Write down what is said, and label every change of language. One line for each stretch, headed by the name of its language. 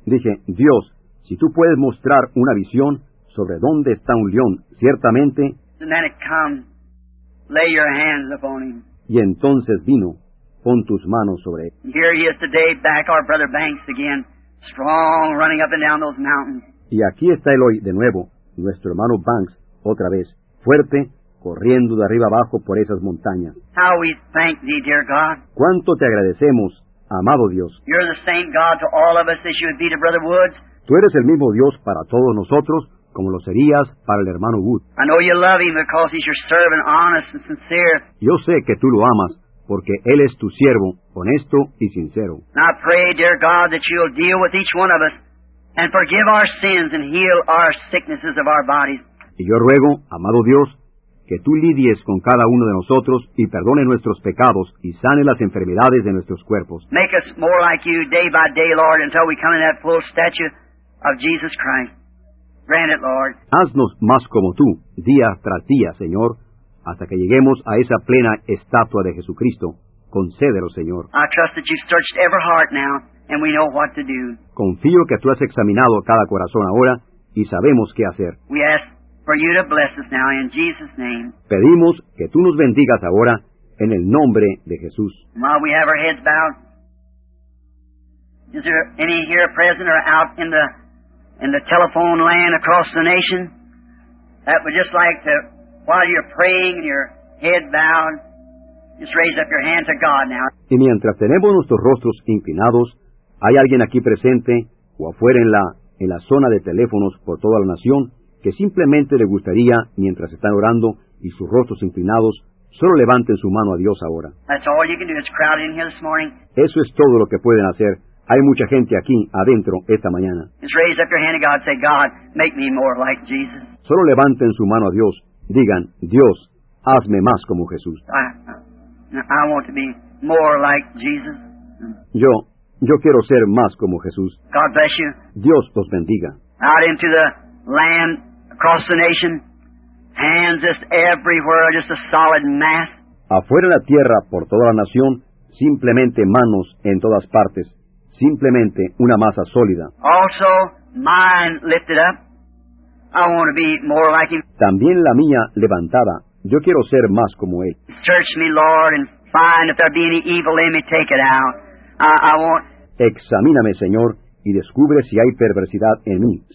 Spanish: Dije, Dios, si tú puedes mostrar una visión sobre dónde está un león, ciertamente.
English: And then it comes, lay your hands upon him.
Spanish: Y entonces vino, pon tus manos sobre él.
English: Here he is today, back our Brother Banks again, strong, running up and down those mountains.
Spanish: Y aquí está él hoy, de nuevo, nuestro hermano Banks, otra vez, fuerte, corriendo de arriba abajo por esas montañas.
English: How we thank thee, dear God.
Spanish: ¿Cuánto te agradecemos, amado Dios?
English: You're the same God to all of us as you would be to Brother Woods.
Spanish: Tú eres el mismo Dios para todos nosotros, como lo serías para el hermano Wood.
English: I know you love him because he's your servant, honest and sincere.
Spanish: Yo sé que tú lo amas, porque él es tu siervo, honesto y sincero.
English: And I pray, dear God, that you'll deal with each one of us and forgive our sins and heal our sicknesses of our bodies.
Spanish: Y yo ruego, amado Dios, que tú lidies con cada uno de nosotros y perdone nuestros pecados y sane las enfermedades de nuestros cuerpos.
English: Make us more like you day by day, Lord, until we come in that full stature of Jesus Christ. Grant it, Lord.
Spanish: Haznos más como tú, día tras día, Señor, hasta que lleguemos a esa plena estatua de Jesucristo. Concédelo, Señor.
English: I trust that you've searched every heart now, and we know what to do.
Spanish: Confío que tú has examinado cada corazón ahora y sabemos qué hacer.
English: We ask for you to bless us now in Jesus' name.
Spanish: Pedimos que tú nos bendigas ahora en el nombre de Jesús.
English: While we have our heads bowed, is there any here present or out in the telephone land across the nation that would just like to, while you're praying and your head bowed, just raise up your hand to God now.
Spanish: Y mientras tenemos nuestros rostros inclinados, ¿hay alguien aquí presente o afuera en la zona de teléfonos por toda la nación que simplemente le gustaría, mientras están orando y sus rostros inclinados, solo levanten su mano a Dios ahora?
English: That's all you can do. It's crowded in here this morning.
Spanish: Eso es todo lo que pueden hacer. Hay mucha gente aquí adentro esta mañana.
English: Just raise up your hand to God. Say, God, make me more like Jesus.
Spanish: Solo levanten su mano a Dios. Digan, Dios, hazme más como Jesús.
English: I want to be more like Jesus.
Spanish: Yo quiero ser más como Jesús.
English: God bless you.
Spanish: Dios los bendiga.
English: Out into the land, across the nation, hands just everywhere, just a solid mass.
Spanish: Afuera la tierra, por toda la nación, simplemente manos en todas partes, simplemente una masa sólida.
English: Also, mine lifted up. I want to be more like him.
Spanish: También la mía levantada. Yo quiero ser más como él.
English: Search me, Lord, and find if there be any evil in me, take it out. I want.
Spanish: Examíname, Señor, y descubre si hay perversidad en mí.